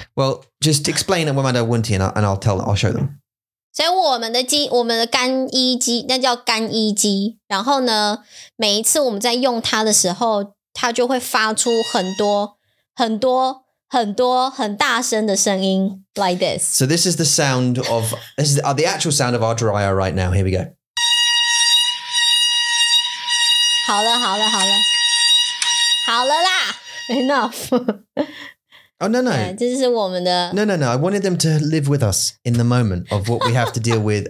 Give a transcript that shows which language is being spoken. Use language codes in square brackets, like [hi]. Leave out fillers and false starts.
[en] Well, just explain the woman the 问题 and I'll show them. [zh] 所以我们的干衣机那叫干衣机，然后呢，每一次我们在用它的时候，它就会发出很多很多很多很大声的声音 ， [en] like this. So this is the sound of this is the actual sound of our dryer right now. Here we go. [zh] 好了好了好了，好了啦 ，enough. [en] Oh, no, no. This is our... No, no, no. I wanted them to live with us in the moment of what we have to deal with.